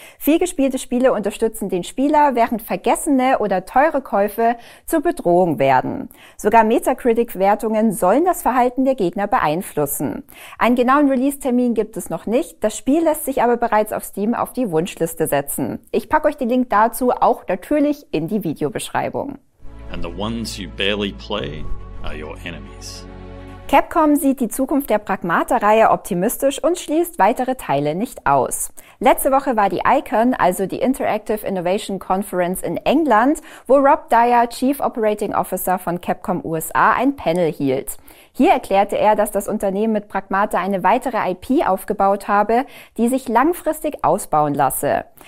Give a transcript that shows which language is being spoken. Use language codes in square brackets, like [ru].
[de] Vielgespielte Spiele unterstützen den Spieler, während vergessene oder teure Käufe zur Bedrohung werden. Sogar Metacritic-Wertungen sollen das Verhalten der Gegner beeinflussen. Einen genauen Release-Termin gibt es noch nicht, das Spiel lässt sich aber bereits auf Steam auf die Wunschliste setzen. Ich packe euch den Link dazu auch natürlich in die Videobeschreibung. [en] And the ones you barely play are your enemies. [de] Capcom sieht die Zukunft der Pragmata-Reihe optimistisch und schließt weitere Teile nicht aus. Letzte Woche war die ICON, also die Interactive Innovation Conference in England, wo Rob Dyer, Chief Operating Officer von Capcom USA, ein Panel hielt. Hier erklärte er, dass das Unternehmen mit Pragmata eine weitere IP aufgebaut habe, die sich langfristig ausbauen lasse.